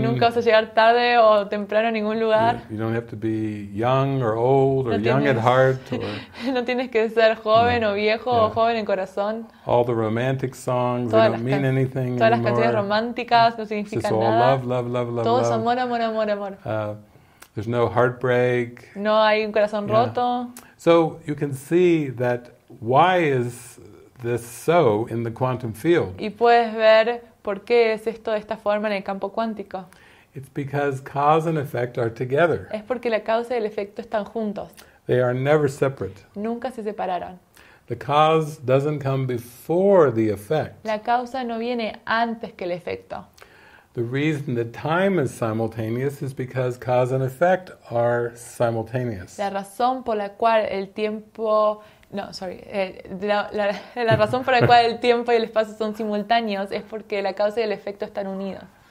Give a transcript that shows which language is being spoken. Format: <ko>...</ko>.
<es>Nunca vas a llegar tarde o temprano a ningún lugar.</es> <en>You don't have to be young or old or young at heart.</en> <es>No tienes que ser joven o viejo o joven en corazón.</es> <en>All the romantic songs, they don't mean anything anymore.</en> <es>Todas las canciones románticas no significan nada.</es> <en>It's all love, love, love, love.</en> <es>Todo es amor, amor, amor, amor.</es> <en>There's no heartbreak.</en> <es>No hay un corazón roto.</es> <en>So you can see that why is this so in the quantum field.</en> <es>Y puedes ver por qué es esto de esta forma en el campo cuántico.</es> <en>It's because cause and effect are together.</en> <es>Es porque la causa y el efecto están juntos.</es> <en>They are never separate.</en> <es>Nunca se separaron.</es> <en>The cause doesn't come before the effect.</en> <es>La causa no viene antes que el efecto.</es> <en>The reason that time is simultaneous is because cause and effect are simultaneous.</en> <es>La razón por la cual el tiempo la razón por la cual el tiempo y el espacio son simultáneos es porque la causa y el efecto están unidos.</es>